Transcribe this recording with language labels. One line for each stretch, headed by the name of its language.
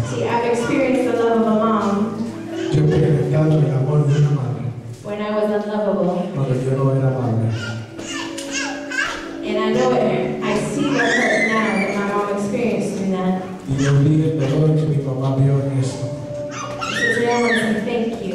English: See, I've experienced the love of a mom.
Spanish: Yo he experimentado el amor de una madre.
English: When I was unlovable,
Spanish: cuando yo no era madre.
English: And I know it. I see the hurt now that my mom experienced in that.
Spanish: Y yo vi el dolor que mi mamá vio en eso.
English: So today I want to say thank you.